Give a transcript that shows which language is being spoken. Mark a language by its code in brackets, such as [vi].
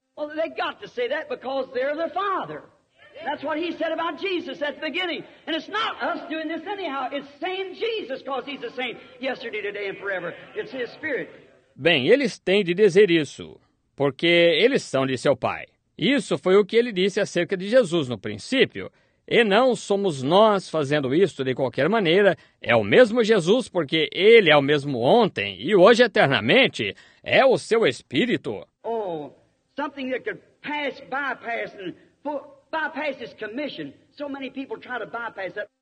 [en] Well, they got to say that because they're their father. That's what he said about Jesus at the beginning. And it's not us doing this anyhow. It's saying Jesus because he's the same yesterday, today and forever. It's his spirit. [pt] Bem, eles têm de dizer isso, porque eles são de seu pai. Isso foi o que ele disse acerca de Jesus no princípio. E não somos nós fazendo isto de qualquer maneira. É o mesmo Jesus, porque ele é o mesmo ontem e hoje eternamente. É o seu espírito. [en] Oh, something that could pass, bypass, and bypass his commission. So many people try to bypass that.